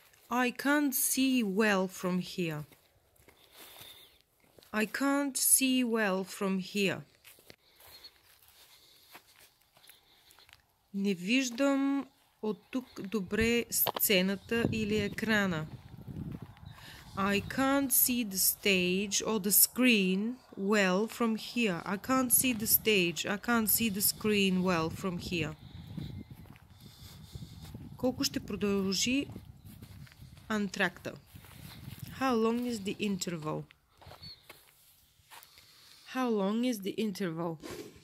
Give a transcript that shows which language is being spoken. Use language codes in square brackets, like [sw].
[en] I can't see well from here. I can't see well from here. [bg] Не виждам от тук добре сцената или екрана. [en] I can't see the stage or the screen well from here. I can't see the stage. I can't see the screen well from here. [bg] Колко ще продължи антракта? [en] How long is the interval? How long is the interval?